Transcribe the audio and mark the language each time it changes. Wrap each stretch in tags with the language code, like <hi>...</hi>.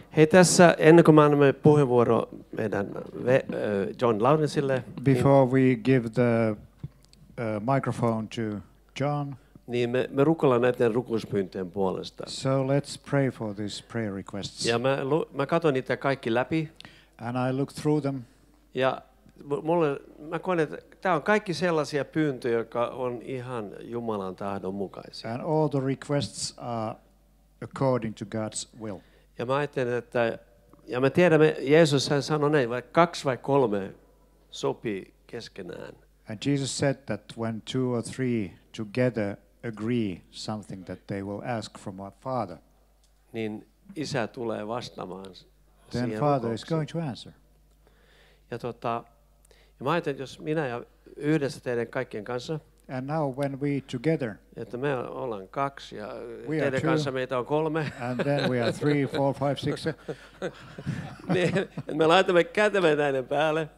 <fi>Hei, tässä ennen kuin annamme puheenvuoro meidän John Laurensille.</fi> <en>Before we give the microphone to John.</en> <fi>Niin me rukoillaan näiden rukouspyyntöjen puolesta.</fi> <en>So let's pray for these prayer requests.</en> <fi>Ja mä katson niitä kaikki läpi.</fi> <en>And I look through them.</en> <fi>Ja mä koen, että tää on kaikki sellaisia pyyntöjä, jotka on ihan Jumalan tahdon mukaisia.</fi> <en>And all the requests are according to God's will.</en> <fi>Ja mä ajattelen, että ja me tiedämme, Jeesus hän sanoi näin, vai kaksi vai kolme sopii keskenään.</fi> <en>And Jesus said that when two or three together agree something that they will ask from our Father,</en> <fi>niin isä tulee vastaamaan.</fi> <en>Then Father is going to answer.</en> <fi>Ja tota, Ja mä ajattelin, jos minä ja yhdessä teidän kaikkien kanssa.</fi> <en>And now when we together.</en> <fi>Että me ollaan kaksi ja</fi> <en>we</en> <fi>teidän</fi> <en>two,</en> <fi>kanssa meitä on kolme.</fi> <en>And then we are three, four, five, six.</en> <fi>Niin, me laitamme kätemme näiden päälle.</fi>